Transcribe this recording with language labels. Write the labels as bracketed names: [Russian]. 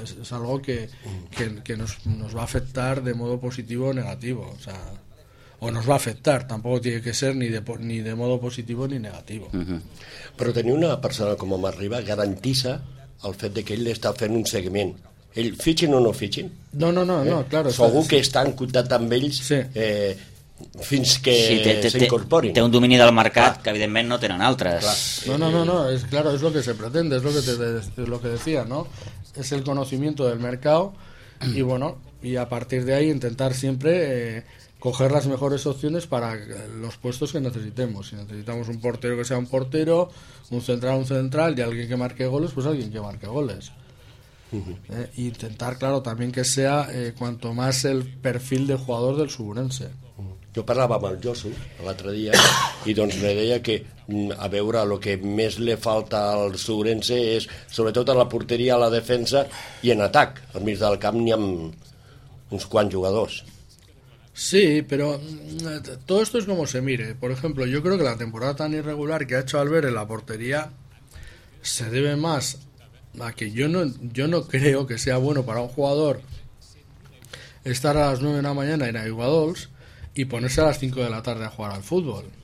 [Spanish] Es algo que nos va a afectar de modo positivo o negativo, o sea, o nos va a afectar, tampoco tiene que ser ni de modo positivo ni negativo. Uh-huh. [Catalan] Però tenir una persona com Omar Riba garantitza el fet de que ell està fent un seguiment. Ell fitxin o no fitxin? [Spanish] No, claro. [Catalan] Segur que està en contacte amb ells, sí. Fins que sí, s'incorporin. Té un domini del mercat, clar. Que evidentment no tenen altres. [Spanish] No, és claro, és lo que se pretende, és lo que decía, ¿no? És el conocimiento del mercat i bueno, y a partir de ahí intentar siempre coger las mejores opciones para los puestos que necesitemos. Si necesitamos un portero, que sea un portero, un central, y alguien que marque goles, pues alguien que marque goles. Uh-huh. Intentar, claro, también que sea cuanto más el perfil de jugador del Sogorense. Uh-huh. [Catalan] Yo parlava amb el Josu l'altre dia i doncs me deia que a veure, lo que més le falta al Sogorense és sobretot a la porteria, a la defensa i en atac. Al mig del camp n'hi ha uns quants jugadors. [Spanish] Sí, pero todo esto es como se mire. Por ejemplo, yo creo que la temporada tan irregular que ha hecho Albert en la portería se debe más a que yo no creo que sea bueno para un jugador estar a las 9 de la mañana en Aiguadols y ponerse a las 5 de la tarde a jugar al fútbol.